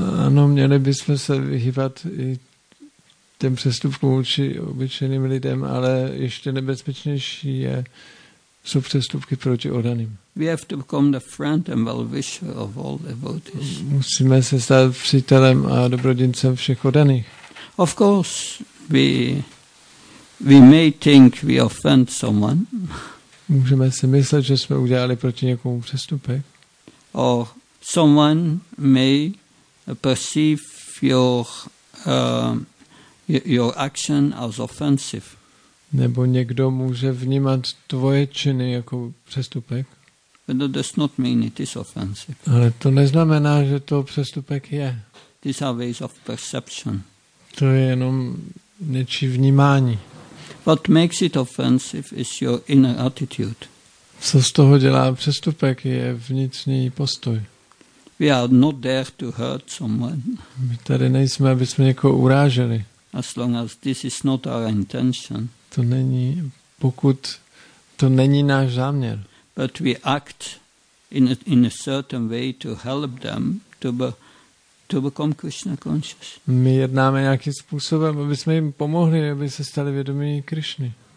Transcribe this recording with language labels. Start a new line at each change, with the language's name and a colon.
Czech: Ano, měli bychom se vyhýbat i těm přestupkům vůči obyčejným lidem, ale ještě nebezpečnější jsou přestupky proti oddaným.
English: We have to become the friend and well-wisher of all devotees.
Czech: Musíme se stát přítelem a dobrodincem všech oddaných.
English: Of course, we may think we offend someone.
Czech: Můžeme si myslet, že jsme udělali proti někomu přestupek.
English: Or someone may perceive your action as offensive.
Czech: Nebo někdo může vnímat tvoje činy jako přestupek.
English: But that does not mean it is offensive.
Czech: Ale to neznamená, že to přestupek je.
English: These are ways of perception.
Czech: To je jenom něčí vnímání.
English: What makes it offensive is your inner attitude.
Czech: Co z toho dělá přestupek, je vnitřní postoj.
English: We are not there to hurt someone.
Czech: My tady nejsme, aby jsme někoho uráželi.
English: As long as this is not our intention.
Czech: To není, pokud to není náš záměr.
English: But we act in a certain way to help them to become Krishna conscious.
Czech: My jednáme nějakým způsobem, aby jsme jim pomohli, aby se stali vědomí Krishny.